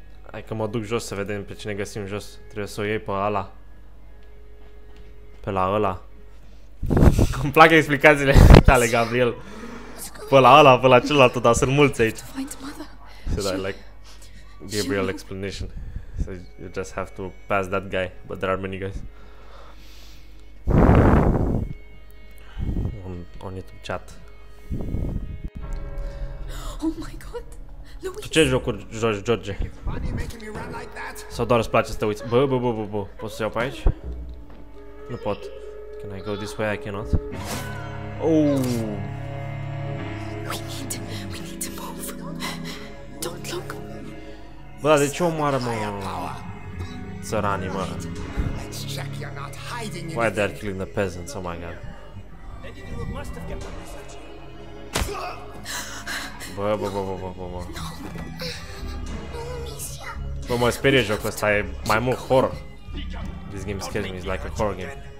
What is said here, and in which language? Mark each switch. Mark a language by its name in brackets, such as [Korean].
[Romanian] Hai că mă duc jos să vedem pe cine găsim jos. Trebuie să o iei pe ăla. Pe la ăla. Îmi plac explicațiile tale, Gabriel. Pe la ăla, pe la celălalt, dar sunt mulți aici. [English] Said I like Gabriel explanation. So you just have to pass that guy, but there are many guys. On YouTube chat. Oh my god. Louis. [Romanian] Tu ce jocuri joci, George? Sau doar îți place să te uiți? Bă, pot să iau pe aici? Nu pot. [English] Can I go this way? I cannot. Oh. We need to move. Don't look. [Romanian] Bă, de ce omoară mă? Țăranii, mă. [English] Why they are killing the peasants? Oh my god. [Romanian] Bă. Bă, mă sperie jocul ăsta, e mai mult horror. [English] This game scares me, it's like a horror game.